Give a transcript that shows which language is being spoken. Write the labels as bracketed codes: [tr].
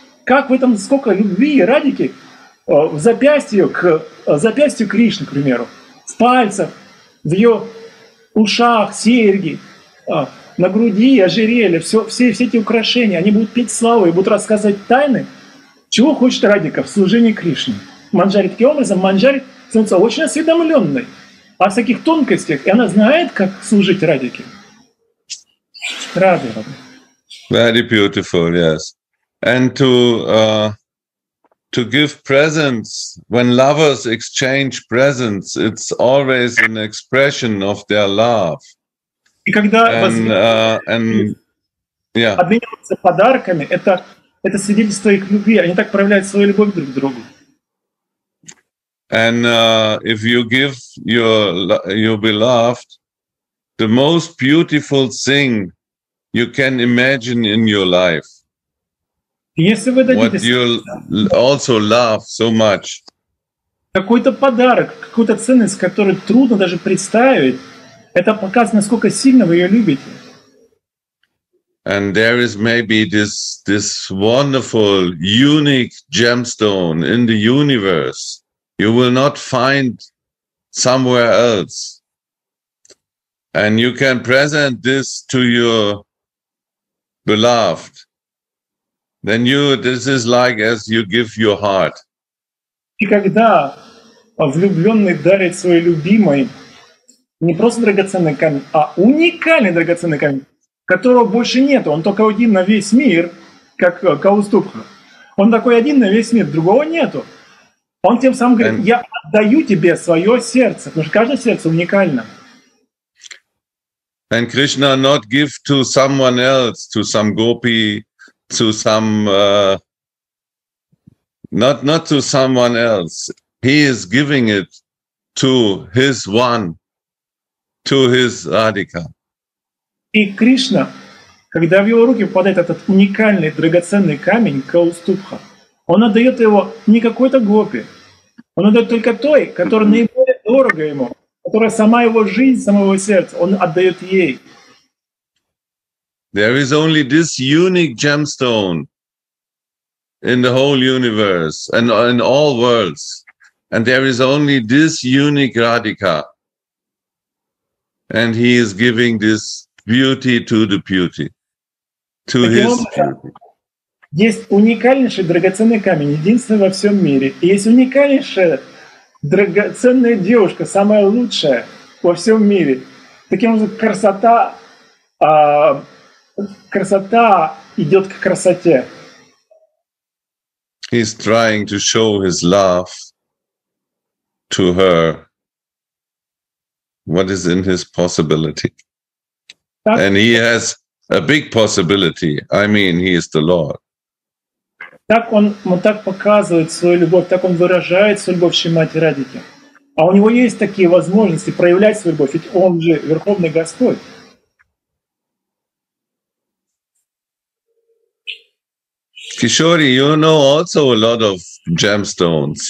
[ru] Как в этом сколько любви Радхики в запястью Кришны, к примеру, в пальцах, в ее ушах, серьги, на груди, ожерелье, все эти украшения, они будут петь славу и будут рассказывать тайны, чего хочет Радхика в служении Кришне. Манджари таким образом, Манджари становится очень осведомленной о всяких тонкостях, и она знает, как служить Радхике. Радхи. [en] Very beautiful, yes. And to give presents, when lovers exchange presents, it's always an expression of their love. [ru] И когда обмениваются подарками, это свидетельство их любви. Они так проявляют свою любовь друг к другу. [en] And if you give your beloved, the most beautiful thing you can imagine in your life, what you also love so much, [ru] какой-то подарок, какую-то ценность, которую трудно даже представить, это показывает, насколько сильно вы ее любите. [en] And there is maybe this wonderful, unique gemstone in the universe. you will not find somewhere else. And you can present this to your beloved. Then you, this is like as you give your heart. [ru] И когда влюбленный дарит своей любимой не просто драгоценный камень, а уникальный драгоценный камень, которого больше нет, он только один на весь мир, как Каустукха. Он такой один на весь мир, другого нету. Он тем самым говорит, я отдаю тебе свое сердце, потому что каждое сердце уникально. [en] And Krishna not give to someone else, to some gopi, to some not to someone else. He is giving it to his one, to his Radhika. [ru] И Кришна, когда в его руки попадает этот уникальный драгоценный камень Каустубха, он отдает его не какой-то гопи, он отдает только той, которая наиболее дорога ему. Которая сама его жизнь, самого сердца, он отдает ей. [en] There is only this unique gemstone in the whole universe and in all worlds, and there is only this unique Radhika, and he is giving this beauty to the beauty, to his beauty. [ru] Есть уникальнейший драгоценный камень, единственный во всем мире. И есть уникальнейшая драгоценная девушка, самая лучшая во всем мире. Таким образом, красота, красота идет к красоте. [en] He's trying to show his love to her. What is in his possibility? [ru] Так. [en] And he has a big possibility. I mean, he is the Lord. [ru] Так он так показывает свою любовь, так он выражает свою любовь Шримати Радхике. А у него есть такие возможности проявлять свою любовь, ведь он же Верховный Господь. [en] Кишори, you know also a lot of gemstones.